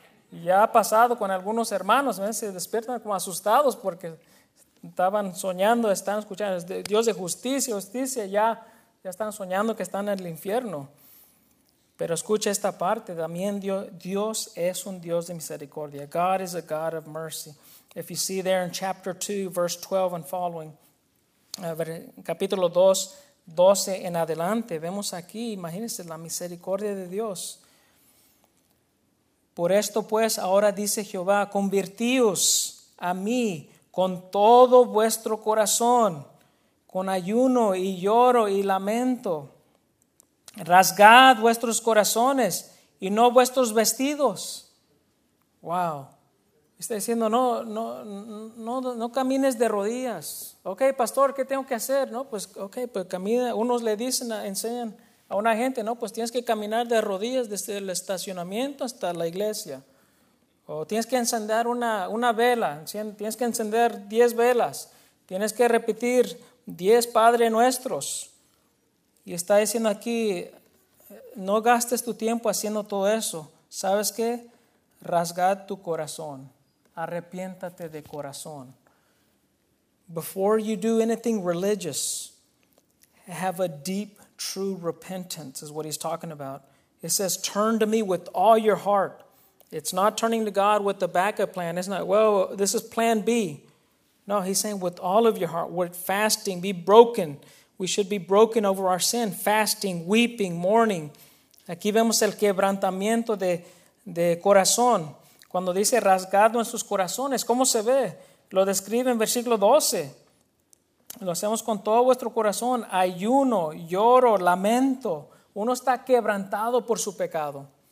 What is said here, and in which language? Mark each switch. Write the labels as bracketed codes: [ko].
[es] Y ya ha pasado con algunos hermanos, ¿ves? Se despiertan como asustados porque estaban soñando, están escuchando. Es Dios de justicia, justicia, ya están soñando que están en el infierno. Pero escucha esta parte. También Dios es un Dios de misericordia. [en] God is a God of mercy. If you see there in chapter 2, verse 12 and following. [es] Capítulo 2, 12 en adelante. Vemos aquí, imagínense, la misericordia de Dios. Por esto pues, ahora dice Jehová, convertíos a mí con todo vuestro corazón. Con ayuno y lloro y lamento. Rasgad vuestros corazones y no vuestros vestidos. Wow. Está diciendo, no camines de rodillas. Ok, pastor, ¿qué tengo que hacer? No, pues, ok, pues camina. Unos le dicen, enseñan a una gente, no, pues tienes que caminar de rodillas desde el estacionamiento hasta la iglesia. O tienes que encender una vela, tienes que encender 10 velas. Tienes que repetir 10 Padre Nuestros. Y está diciendo aquí, no gastes tu tiempo haciendo todo eso. ¿Sabes qué? Rasgad tu corazón. Arrepiéntate de corazón. [en] Before you do anything religious, have a deep, true repentance, is what he's talking about. It says, turn to me with all your heart. It's not turning to God with the backup plan. It's not, well, this is plan B. No, he's saying with all of your heart, with fasting, be broken. We should be broken over our sin, fasting, weeping, mourning. [es] Aquí vemos el quebrantamiento de corazón. Cuando dice rasgado en sus corazones, ¿cómo se ve? Lo describe en versículo 12. Lo hacemos con todo vuestro corazón. Ayuno, lloro, lamento. Uno está quebrantado por su pecado.